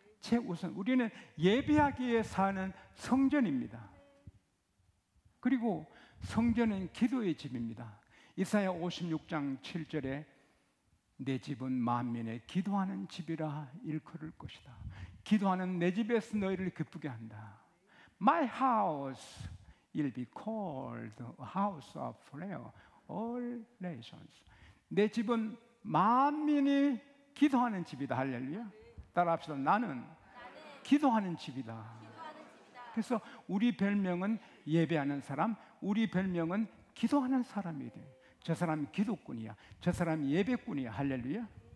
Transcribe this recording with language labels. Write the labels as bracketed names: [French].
[Korean] 최우선 우리는 예배하기에 사는 성전입니다. 그리고 성전은 기도의 집입니다. 이사야 56장 7절에 내 집은 만민의 기도하는 집이라 일컬을 것이다. 기도하는 내 집에서 너희를 기쁘게 한다. [English] My house will be called a house of prayer all nations. [Korean] 내 집은 만민이 기도하는 집이다. 할렐루야. 따라합시다. 나는 기도하는 집이다. 그래서 우리 별명은 예배하는 사람, 우리 별명은 기도하는 사람이래. 저 사람 기도꾼이야. 저 사람 예배꾼이야. 할렐루야.